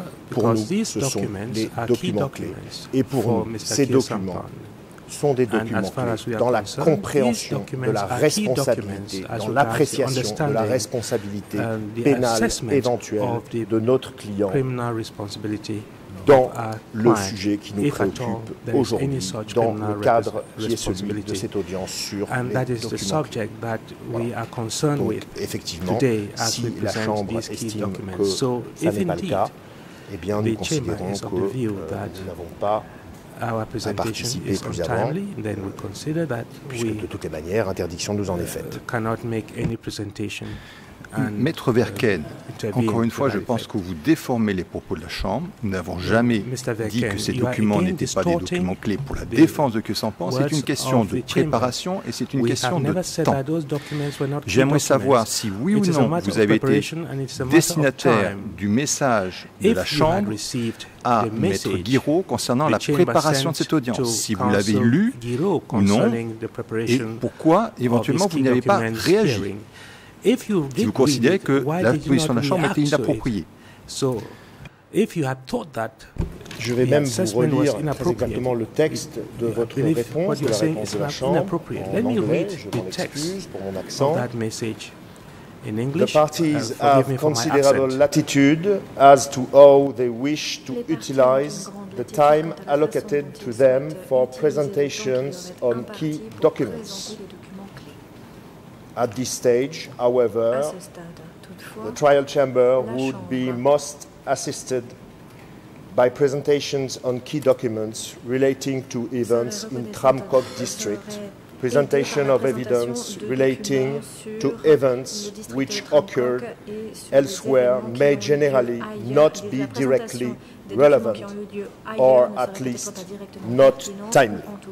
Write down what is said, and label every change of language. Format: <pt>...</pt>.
<fr>Pour nous, ce sont des documents clés. Et pour nous, ces documents sont des documents clés dans la compréhension de la responsabilité, dans l'appréciation de la responsabilité pénale éventuelle de notre client dans le sujet qui nous préoccupe aujourd'hui, dans le cadre qui est celui de cette audience sur les documents clés. Donc, effectivement, si la Chambre estime que ça n'est pas le cas, eh bien, nous considérons que nous n'avons pas</fr> <en>our presentation is untimely, then we consider that</en> <fr>puisque de toutes les manières, interdiction nous en est faite.</fr> <en>Cannot make any presentation.</en> <fr>Maître Verken, encore une fois, je pense que vous déformez les propos de la Chambre. Nous n'avons jamais dit que ces documents n'étaient pas des documents clés pour la défense de Khieu Samphan. C'est une question de préparation et c'est une question de temps. J'aimerais savoir si, oui ou non, vous avez été destinataire du message de la Chambre à Maître Guiraud concernant la préparation de cette audience, si vous l'avez lu ou non, et pourquoi, éventuellement, vous n'avez pas réagi.</fr> <en>If you</en> <fr>si vous considérez que la position de la Chambre était inappropriée.</fr> <en>So, if you have thought that,</en> <fr>je vais même vous relire très exactement le texte de votre réponse, de la réponse de la Chambre. En anglais, je m'en excuse pour mon accent.</fr> <en>In English, the parties have considerable latitude as to how they wish to utilize the time allocated to them for presentations on key documents. At this stage, however, the trial chamber would be most assisted by presentations on key documents relating to events in Tram Kaek district, presentation of evidence relating to events which occurred elsewhere may generally not be directly relevant or at least not timely.</en>